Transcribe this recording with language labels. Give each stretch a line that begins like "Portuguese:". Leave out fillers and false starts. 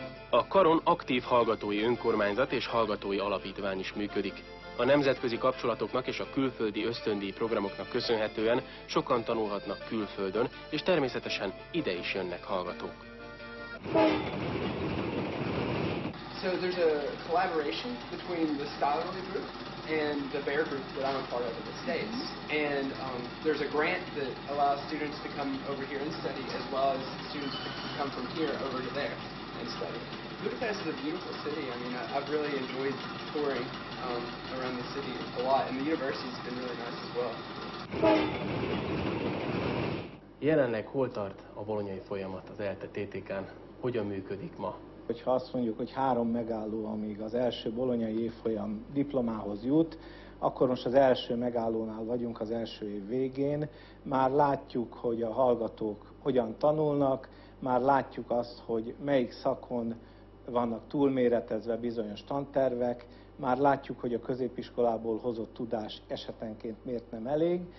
Hungarian: A Karon aktív hallgatói önkormányzat és hallgatói alapítvány is működik. A nemzetközi kapcsolatoknak és a külföldi ösztöndíj programoknak köszönhetően sokan tanulhatnak külföldön, és természetesen ide is jönnek hallgatók.
English: So there's a collaboration between the Scholarly Group and the Bear Group that I'm a part of in the States. And there's a grant that allows students to come over here and study, as well as students to come from here over to there and study. Budapest is a beautiful city. I mean, I've really enjoyed touring around the city a lot, and the university's been really nice as well.
Hungarian: Jelenleg hol tart a bolonyai folyamat az ELTE TTK-n? Hogyan működik ma? Hogyha azt mondjuk, hogy 3 megálló, amíg az első bolonyai évfolyam diplomához jut, akkor most az első megállónál vagyunk, az első év végén. Már látjuk, hogy a hallgatók hogyan tanulnak, már látjuk azt, hogy melyik szakon vannak túlméretezve bizonyos tantervek, már látjuk, hogy a középiskolából hozott tudás esetenként miért nem elég.